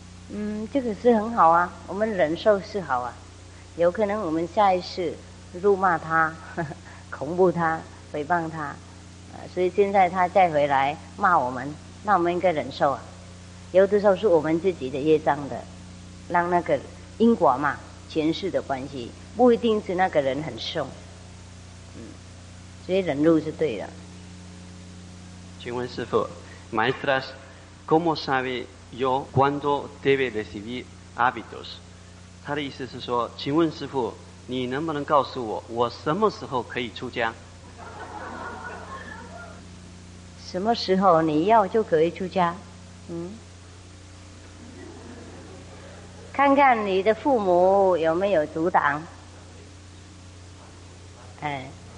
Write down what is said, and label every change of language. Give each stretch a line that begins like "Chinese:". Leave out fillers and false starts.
Chinese: 嗯，这个是很好啊，我们忍受是好啊，有可能我们下一世辱骂他、恐怖他、诽谤他，所以现在他再回来骂我们，那我们应该忍受啊。有的时候是我们自己的业障的，让那个因果嘛，前世的关系不一定是那个人很凶，嗯，所以忍辱是对的。请问师父
Spanish: Maestras ¿Cómo sabe yo cuándo debe recibir hábitos?
Chinese: 他的意思是说请问师父你能不能告诉我我什么时候可以出家什么时候你要就可以出家嗯看看你的父母有没有阻挡哎